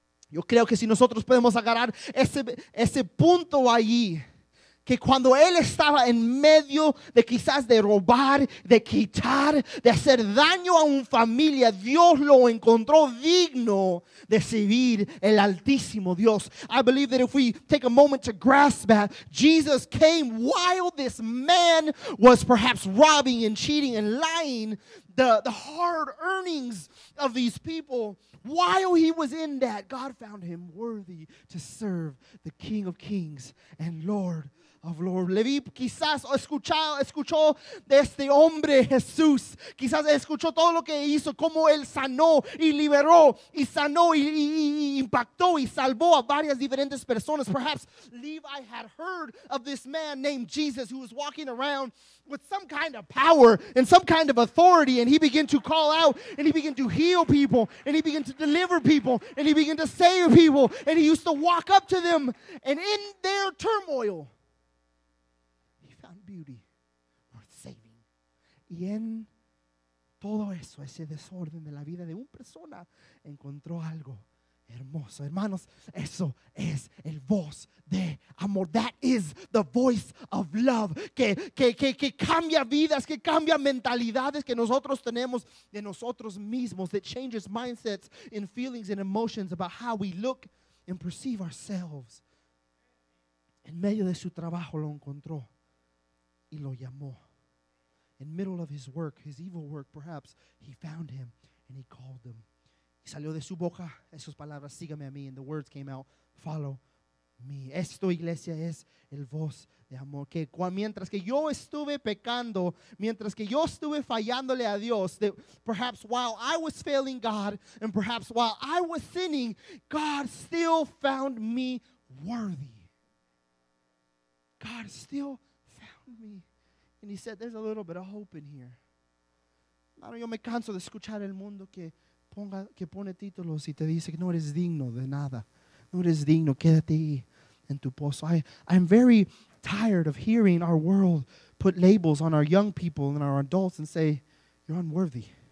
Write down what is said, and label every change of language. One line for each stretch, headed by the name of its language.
Spanish: Yo creo que si nosotros podemos agarrar ese punto allí, que cuando él estaba en medio de quizás de robar, de quitar, de hacer daño a una familia, Dios lo encontró digno de servir el Altísimo Dios.
English: I believe that if we take a moment to grasp that, Jesus came while this man was perhaps robbing and cheating and lying, the hard earnings of these people, while he was in that, God found him worthy to serve the King of Kings and Lord of Lord.
Spanish: Levi quizás escuchó de este hombre Jesús, quizás escuchó todo lo que hizo, cómo él sanó y liberó y sanó y impactó y salvó a varias diferentes personas.
English: Perhaps Levi had heard of this man named Jesus who was walking around with some kind of power and some kind of authority, and he began to call out and he began to heal people and he began to deliver people and he began to save people, and he used to walk up to them and in their turmoil beauty worth saving.
Spanish: Y en todo eso, ese desorden de la vida de una persona, encontró algo hermoso. Hermanos, eso es el voz de amor.
English: That is the voice of love,
Spanish: que cambia vidas, que cambia mentalidades que nosotros tenemos de nosotros mismos,
English: that changes mindsets and feelings and emotions about how we look and perceive ourselves.
Spanish: En medio de su trabajo lo encontró y lo llamó.
English: In the middle of his work, his evil work, perhaps, he found him and he called him.
Spanish: Y salió de su boca esas palabras, sígame a mí.
English: And the words came out, follow me.
Spanish: Esto, iglesia, es el voz de amor. Que mientras que yo estuve pecando, mientras que yo estuve fallándole a Dios,
English: that perhaps while I was failing God and perhaps while I was sinning, God still found me worthy. God still found me. And he said, there's a little bit of hope in here.
Spanish: Mano, yo me canso de escuchar el mundo que pone títulos y te dice que no eres digno de nada. No eres digno, quédate ahí en tu pozo.
English: I'm very tired of hearing our world put labels on our young people and our adults and say, you're unworthy.